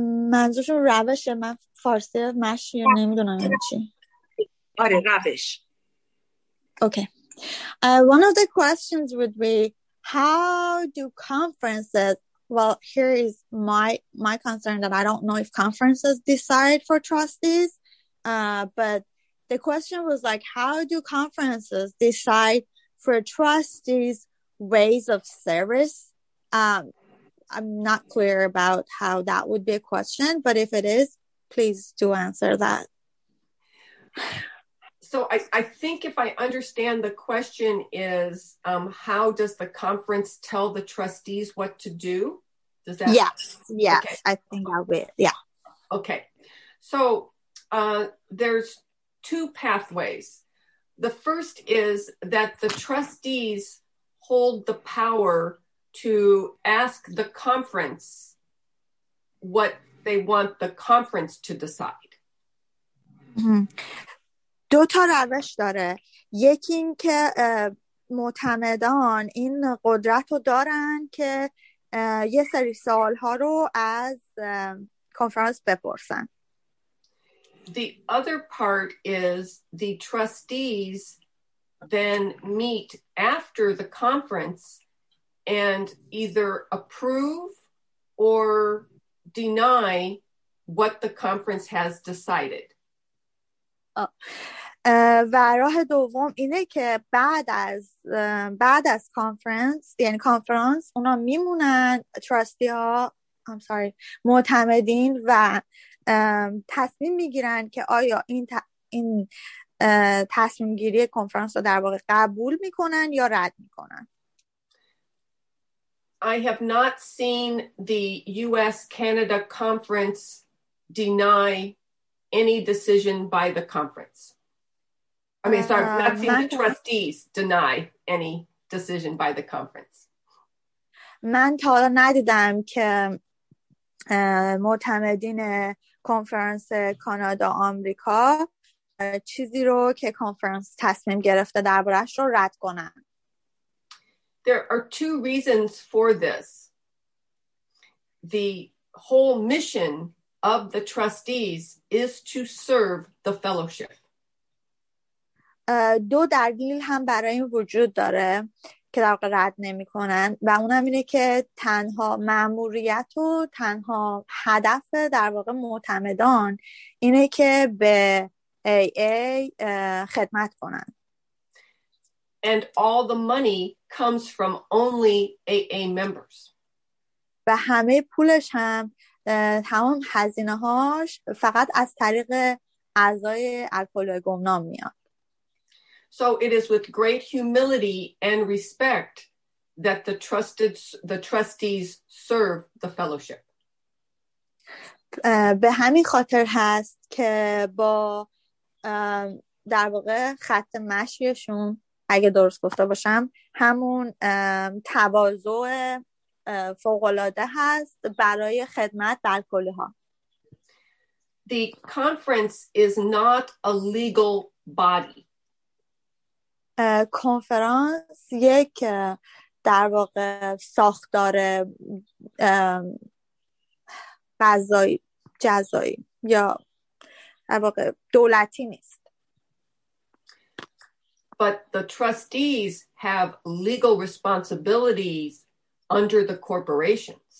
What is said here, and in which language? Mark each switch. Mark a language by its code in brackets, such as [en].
[fa] منظورشون روش، من فارسی مشی رو نمیدونم چی. آره روش. [en] Okay. One of the questions would be how do conferences, well here is my concern that I don't know if conferences decide for trustees, but the question was like, how do conferences decide for trustees' ways of service? I'm not clear about how that would be a question, but if it is, please do answer that. So I think if I understand the question is, how does the conference tell the trustees what to do? Does that? Yes. Okay. I think I will. Yeah. Okay. So there's two pathways. The first is that the trustees hold the power to ask the conference what they want the conference to decide. [fa] Mm-hmm. دو تا روش داره. یکی این که معتمدان این قدرت رو دارن که یه سری سوال ها رو از کنفرانس بپرسن. [en] The other part is the trustees then meet after the conference and either approve or deny what the conference has decided. [fa] و راه دوم اینه که بعد از کانفرنس یعنی کانفرنس اونا میمونن تراستی ها معتمدین و تصمیم میگیرن که آیا این تصمیم گیری کانفرنس رو در واقع قبول میکنن یا رد میکنن. [en] I have not seen the US Canada conference deny any decision by the conference. I mean, sorry, I've not seen the trustees deny any decision by the conference. [fa] من تا حالا ندیدم که معتمدین کنفرانس کانادا آمریکا چیزی رو که کنفرانس تصمیم گرفته دربارش رو رد کنن. [en] There are two reasons for this. The whole mission of the trustees is to serve the fellowship. [fa] دو دلیل هم برای این وجود داره که در واقع رد نمی کنن و اونم اینه که تنها ماموریت و تنها هدف در واقع معتمدان اینه که به AA خدمت کنن. [en] And all the money comes from only AA members. [fa] و همه پولش هم تمام هزینه هاش فقط از طریق اعضای الکلوی گمنام میاد. [en] So it is with great humility and respect that the trustees serve the fellowship. [fa] به همین خاطر هست که با در واقع خط مشیشون اگه درست گفته باشم همون تواضع فوق‌العاده هست برای خدمت به الکلی‌ها. [en] The conference is not a legal body. [fa] کنفرانس یک در واقع ساختار قضایی جزایی یا در واقع دولتی نیست. [en] But the trustees have legal responsibilities under the corporations.